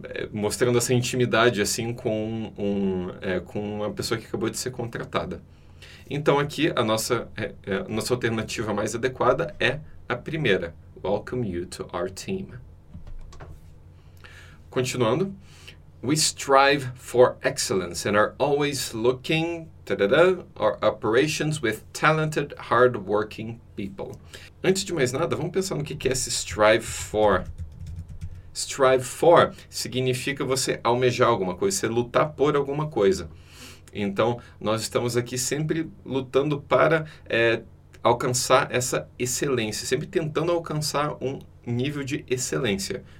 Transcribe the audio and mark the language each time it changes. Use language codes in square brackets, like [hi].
[pt] Mostrando essa intimidade assim com uma pessoa que acabou de ser contratada. Então, aqui a nossa alternativa mais adequada é a primeira. [en] Welcome you to our team. [pt] Continuando, [en] We strive for excellence and are always looking our operations with talented, hardworking people. [pt] Antes de mais nada, vamos pensar no que é esse strive for. Strive for significa você almejar alguma coisa, você lutar por alguma coisa. Então, nós estamos aqui sempre lutando para alcançar essa excelência, sempre tentando alcançar um nível de excelência.